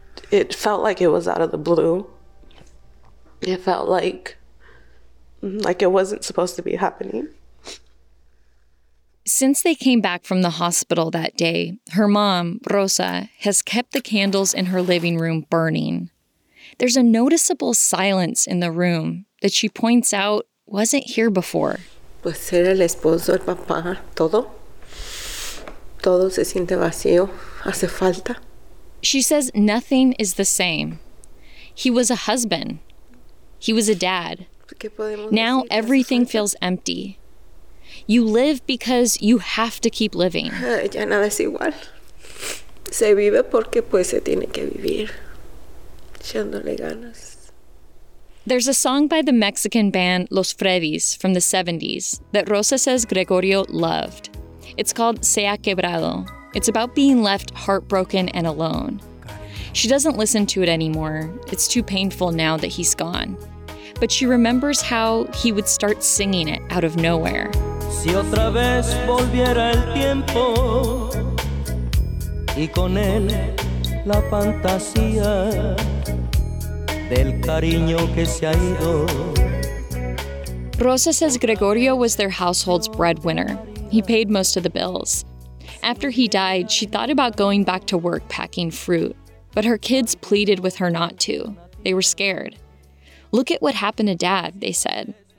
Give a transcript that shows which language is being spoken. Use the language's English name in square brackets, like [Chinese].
[English] It felt like it was out of the blue. It felt like it wasn't supposed to be happening. Since they came back from the hospital that day, her mom, Rosa, has kept the candles in her living room burning. There's a noticeable silence in the room that she points out wasn't here before. [Spanish] Pues ser el esposo, el papá, todo. Todo se siente vacío, hace falta. [English] She says nothing is the same. He was a husband. He was a dad. Now everything feels empty. You live because you have to keep living. [Spanish] Ya nada es igual. Se vive porque pues se tiene que vivir. Echándole ganas. [English] There's a song by the Mexican band Los Freddys from the 70s that Rosa says Gregorio loved. It's called Se Ha Quebrado, It's about being left heartbroken and alone. She doesn't listen to it anymore. It's too painful now that he's gone. But she remembers how he would start singing it out of nowhere. [Spanish] Si otra vez volviera el tiempo y con él la fantasía del cariño que se ha ido. [English] Rosa says Gregorio was their household's breadwinner. He paid most of the bills. After he died, she thought about going back to work packing fruit, but her kids pleaded with her not to. They were scared. Look at what happened to Dad, they said.